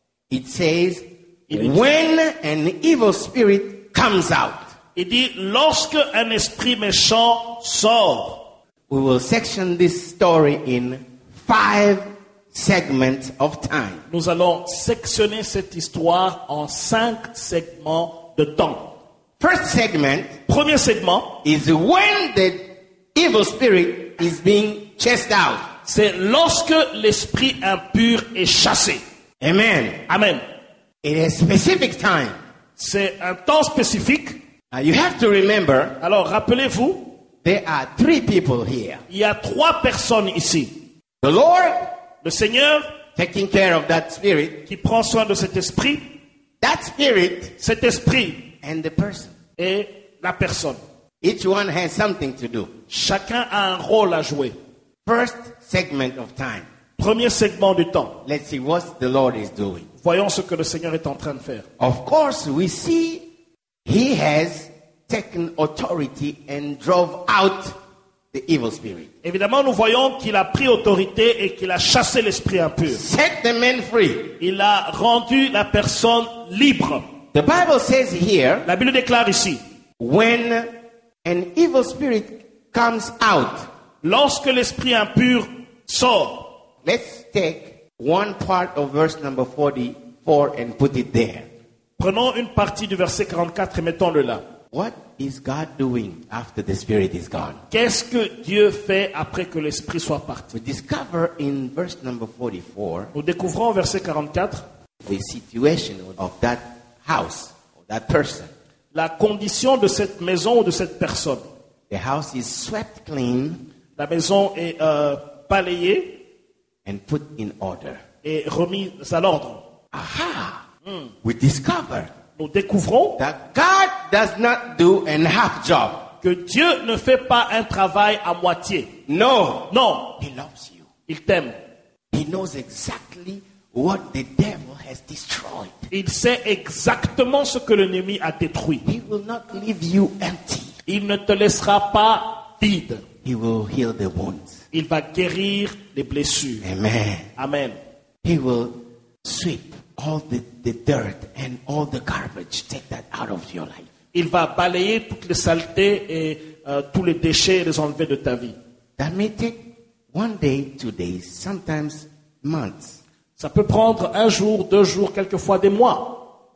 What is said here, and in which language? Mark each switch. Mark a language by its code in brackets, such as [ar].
[en] it says, when an evil spirit comes out. [fr] Il dit lorsque un esprit méchant sort. [en] We will section this story in five segments of time. [fr] Nous allons sectionner cette histoire en cinq segments de temps. [en] First segment, [fr] premier segment, [en] is when the evil spirit is being chased out. [fr] C'est lorsque l'esprit impur est chassé. Amen. Amen. [en] In a specific time. [fr] C'est un temps spécifique. [en] You have to remember. [fr] Alors rappelez-vous. [en] There are three people here. [fr] Il y a trois personnes ici. [en] The Lord, [fr] le Seigneur, [en] taking care of that spirit, [fr] qui prend soin de cet esprit. [en] That spirit, [fr] cet esprit, [en] and the person, [fr] et la personne. [en] Each one has something to do. [fr] Chacun a un rôle à jouer. [en] First segment of time. [fr] Premier segment du temps. [en] Let's see what the Lord is doing. [fr] Voyons ce que le Seigneur est en train de faire. [en] Of course, we see he has taken authority and drove out the evil spirit. [fr] Évidemment, nous voyons qu'il a pris autorité et qu'il a chassé l'esprit impur. [en] Set the man free. [fr] Il a rendu la personne libre. [en] The Bible says here. [fr] La Bible déclare ici. [en] When an evil spirit comes out. [fr] Lorsque l'esprit impur sort. [en] Let's take one part of verse number 44 and put it there. [fr] Prenons une partie du verset 44 et mettons-le là. [en] What is God doing after the spirit is gone? [fr] Qu'est-ce que Dieu fait après que l'esprit soit parti? [en] We discover in verse number 44. [fr] Nous découvrons au verset 44 [en] the situation of that house or that person. [fr] La condition de cette maison ou de cette personne. [en] The house is swept clean. [fr] La maison est balayée. [en] And put in order. [fr] Et remise à l'ordre. [en] Aha! We discover. [fr] Nous découvrons [en] that God does not do a half job. [fr] Que Dieu ne fait pas un travail à moitié. [en] No. [fr] Non. [en] He loves you. [fr] Il t'aime. [en] He knows exactly what the devil has destroyed. [fr] Il sait exactement ce que l'ennemi a détruit. [en] He will not leave you empty. [fr] Il ne te laissera pas vide. [en] He will heal the wounds. [fr] Il va guérir les blessures. Amen. Amen. [en] He will sweep all the dirt and all the garbage. Take that out of your life. [fr] Il va balayer toutes les saletés et tous les déchets et les enlever de ta vie. [en] That may take one day, two days, sometimes months. [fr] Ça peut prendre un jour, deux jours, quelquefois des mois.